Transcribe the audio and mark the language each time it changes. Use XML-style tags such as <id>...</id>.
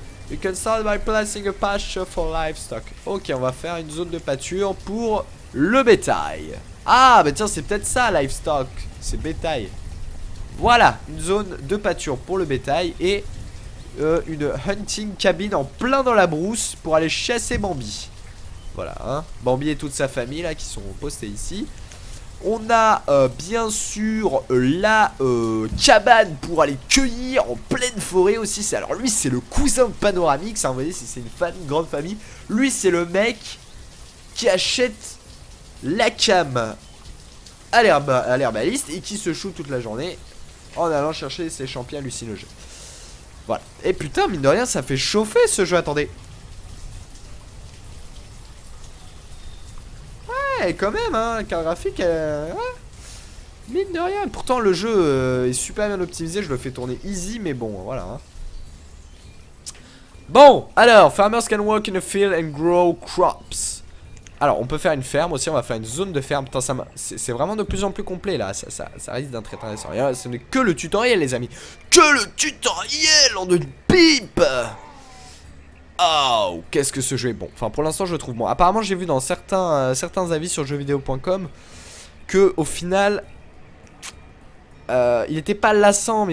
<en>You can start by placing a pasture for livestock.</en> <fr>Ok, on va faire une zone de pâture pour le bétail. Ah, bah tiens, c'est peut-être ça, livestock. C'est bétail. Voilà, une zone de pâture pour le bétail et une hunting cabine en plein dans la brousse pour aller chasser Bambi. Voilà, hein. Bambi et toute sa famille là qui sont postés ici. On a bien sûr la cabane pour aller cueillir en pleine forêt aussi. Alors lui, c'est le cousin de Panoramix, hein, vous voyez, si c'est une famille, une grande famille. Lui, c'est le mec qui achète la cam à l'herbaliste et qui se shoot toute la journée en allant chercher ses champignons hallucinogènes. Voilà. Et putain, mine de rien, ça fait chauffer ce jeu. Attendez. Ouais, quand même, hein. Carte graphique. Mine de rien. Pourtant, le jeu est super bien optimisé. Je le fais tourner easy, mais bon, voilà. Hein. Bon, alors.</fr> <en>Farmers can walk in a field and grow crops.</en> <fr>Alors, on peut faire une ferme aussi. On va faire une zone de ferme. Putain, c'est vraiment de plus en plus complet, là. Ça risque d'être intéressant. Et là, ce n'est que le tutoriel, les amis. Que le tutoriel en une pipe. Oh, qu'est-ce que ce jeu est bon. Enfin, pour l'instant, je le trouve bon. Apparemment, j'ai vu dans certains avis sur jeuxvideo.com que, au final, il n'était pas lassant.</fr>